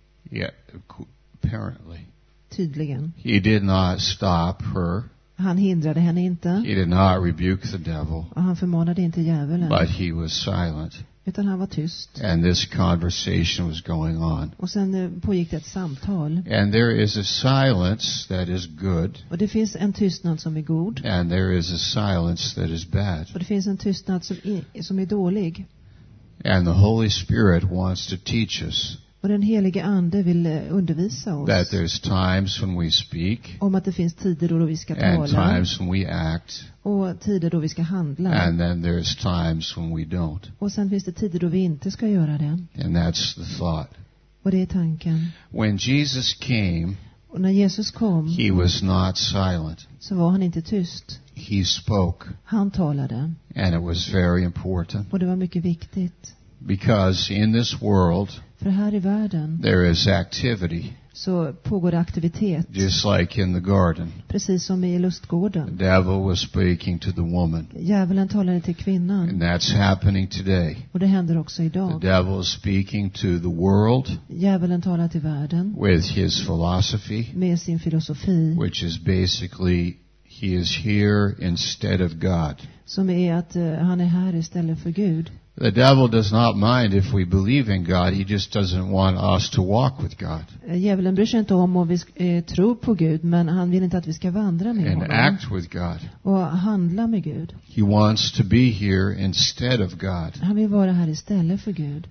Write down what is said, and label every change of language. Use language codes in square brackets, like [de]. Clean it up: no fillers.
[en] Yeah, apparently. [sv] Tydligen. [en] He did not stop her. [sv] Han hindrade henne inte. [en] He did not rebuke the devil. [sv] Och han förmanade inte djävulen. [en] But he was silent. [sv] Utan han var tyst. [en] And this conversation was going on. [sv] Och sen pågick det ett samtal. [en] And there is a silence that is good. [sv] Och det finns en tystnad som är god. [en] And there is a silence that is bad. [sv] Och det finns en tystnad som är dålig. [en] And the Holy Spirit wants to teach us. [sv] Och den helige ande vill undervisa oss. [en] That there's times when we speak. [sv] Om att det finns tider då vi ska tala. [en] And times when we act. [sv] Och tider då vi ska handla. [en] And then there's times when we don't. [sv] Och sen finns det tider då vi inte ska göra det. [en] And that's the thought. [sv] Och det är tanken. [en] When Jesus came. [sv] Och när Jesus kom. [en] He was not silent. [sv] Så var han inte tyst. [en] He spoke. [sv] Han talade. [en] And it was very important. [sv] Och det var mycket viktigt. [en] Because in this world. [sv] För här i världen. [en] There is activity. [sv] Så pågår aktivitet. [en] Just like in the garden. [sv] Precis som i lustgården. [en] The devil was speaking to the woman. [sv] Djävulen talade till kvinnan. [en] And that's happening today. [sv] Och det händer också idag. [en] The devil is speaking to the world. [sv] Djävulen talar till världen. [en] With his philosophy. [sv] Med sin filosofi. [en] Which is basically he is here instead of God. [sv] Som är att han är här istället för Gud. [en] The devil does not mind if we believe in God. He just doesn't want us to walk with God. [sv] Djävulen bryr sig inte om vi tror på Gud, men han vill inte att vi ska vandra med honom. [en] And act with God. [sv] Och handla med Gud. [en] He wants to be here instead of God. [sv] Han vill vara här istället för Gud.